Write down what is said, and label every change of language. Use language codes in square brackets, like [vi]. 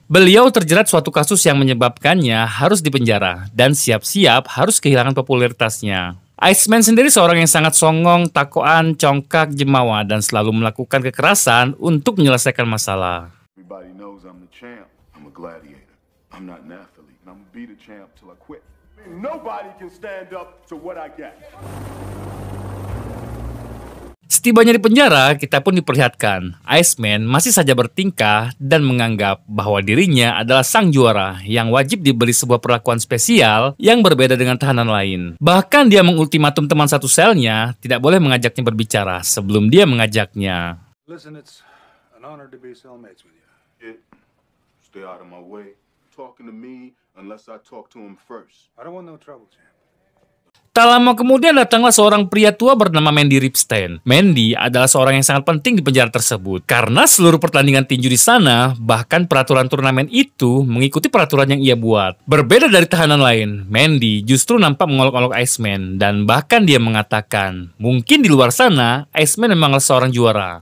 [id] Beliau terjerat suatu kasus yang menyebabkannya harus dipenjara dan siap-siap harus kehilangan popularitasnya. Iceman sendiri seorang yang sangat songong, takoan, congkak, jemawa, dan selalu melakukan kekerasan untuk menyelesaikan masalah. [en] Everybody knows I'm the champ. I'm a gladiator. I'm not an athlete. I'm gonna be the champ till I quit. Nobody can stand up to what I get. [id] Setibanya di penjara, kita pun diperlihatkan Iceman masih saja bertingkah dan menganggap bahwa dirinya adalah sang juara yang wajib diberi sebuah perlakuan spesial yang berbeda dengan tahanan lain. Bahkan dia mengultimatum teman satu selnya tidak boleh mengajaknya berbicara sebelum dia mengajaknya. [en] Listen, it's an honor to be cellmates with you. Stay out of my way. Talking to me. Unless I talk to him first. I don't want no trouble, champ. [id] Tak lama kemudian datanglah seorang pria tua bernama Mandy Ripstein. Mandy adalah seorang yang sangat penting di penjara tersebut. Karena seluruh pertandingan tinju di sana, bahkan peraturan turnamen itu mengikuti peraturan yang ia buat. Berbeda dari tahanan lain, Mandy justru nampak mengolok-olok Iceman. Dan bahkan dia mengatakan, mungkin di luar sana, Iceman memanglah seorang juara.